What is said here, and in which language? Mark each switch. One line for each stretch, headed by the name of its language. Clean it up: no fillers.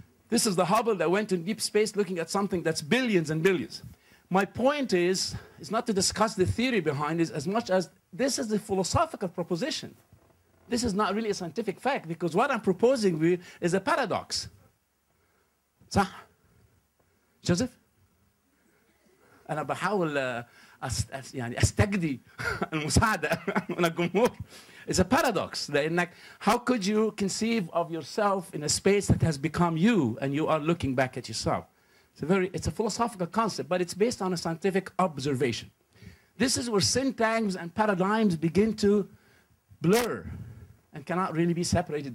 English: This is the Hubble that went in deep space looking at something that's billions and billions. My point is not to discuss the theory behind it as much as this is a philosophical proposition. This is not really a scientific fact, because what I'm proposing with you is a paradox.
Arabic: صح؟ Joseph? أنا بحاول يعني أستجدي المساعدة من الجمهور.
English: It's a paradox. How could you conceive of yourself in a space that has become you and you are looking back at yourself? It's a philosophical concept, but it's based on a scientific observation. This is where syntagms and paradigms begin to blur and cannot really be separated.